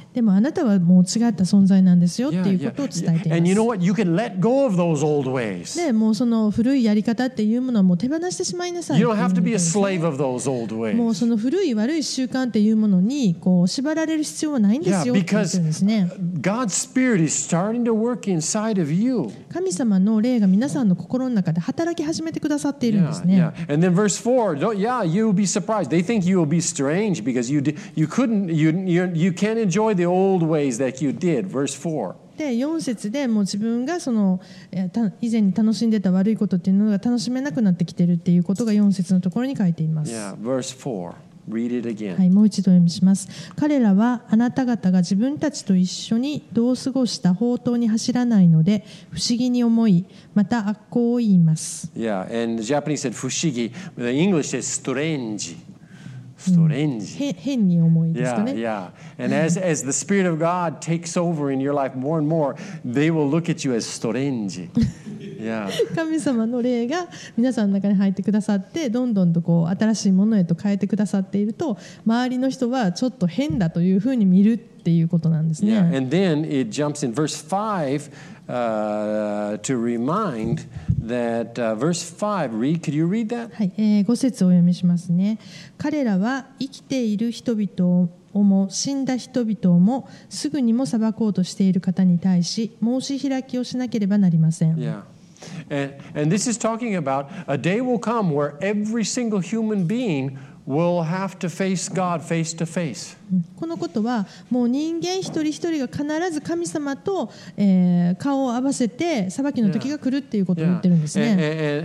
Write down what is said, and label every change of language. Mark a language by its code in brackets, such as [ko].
[ja] でもあなたはもう違った存在なんですよっていうことを伝えています。 [en] And you know what? You can let go of those old ways. [ja] で、もうその古いやり方っていうものはもう手放してしまいなさい。 [en] You don't have to be a slave of those old ways. [ja] もうその古い悪い習慣っていうものにこう縛られる必要はないんですよって言ってるんですね。 [en] Yeah, because God's Spirit is starting to work inside of you. [ja] 神様の霊が皆さんの心の中で働き始めてくださっているんですね。 [en] Yeah, yeah. And then verse 4, yeah, you'll be surprised. They think you'll be strange because you can't enjoy the old ways that you did. Verse 4. [ja] で4節でもう自分がその以前に楽しんでた悪いことっていうのが楽しめなくなってきてるっていうことが4節のところに書いています。 [en] Yeah, verse 4. Read it again. [ja] はい、もう一度読みします。彼らはあなた方が自分たちと一緒にどう過ごした放蕩に走らないので不思議に思い、また悪行を言います。 [en] Yeah, and the Japanese said 不思議。 The English says strange. [ja] 変に思いですかね。 [en] Yeah, yeah. And as the Spirit of God takes over in your life more and more, they will look at you as strange. Yeah. [ja] 神様の霊が皆さんの中に入ってくださって、どんどんとこう新しいものへと変えてくださっていると、周りの人はちょっと変だというふうに見るっていうことなんですね。 [en] Yeah. And then it jumps in verse 5, to remind. That, verse 5, read, could you read that? [ja] はい、5節を読みしますね。彼らは生きている人々をも死んだ人々をもすぐにも裁こうとしている方に対し申し開きをしなければなりません。 [en] Yeah. And this is talking about a day will come where every single human beingWill have to face God face to face. [ja] このことはもう人間一人一人が必ず神様と、顔を合わせて裁きの時が来るっていうことを言ってるんですね。